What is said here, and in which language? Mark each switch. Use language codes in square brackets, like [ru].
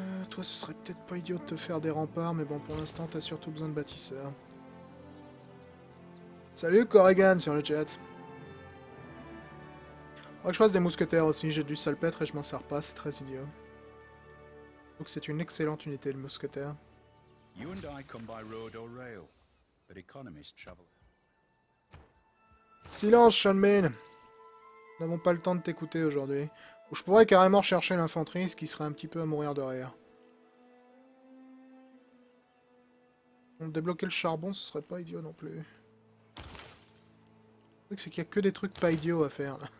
[fr] Toi, ce serait peut-être pas idiot de te faire des remparts, mais bon, pour l'instant, t'as surtout besoin de bâtisseurs. Salut Corrigan sur le chat. Faut que je fasse des mousquetaires aussi, j'ai du salpêtre et je m'en sers pas, c'est très idiot. Donc c'est une excellente unité, le mousquetaire. [en] You and I come by road or rail, but economists travel. [fr] Silence, Sean Bean. Nous n'avons pas le temps de t'écouter aujourd'hui. Ou je pourrais carrément chercher l'infanterie, ce qui serait un petit peu à mourir de rire. Débloquer le charbon, ce serait pas idiot non plus. Le truc, c'est qu'il y a que des trucs pas idiots à faire.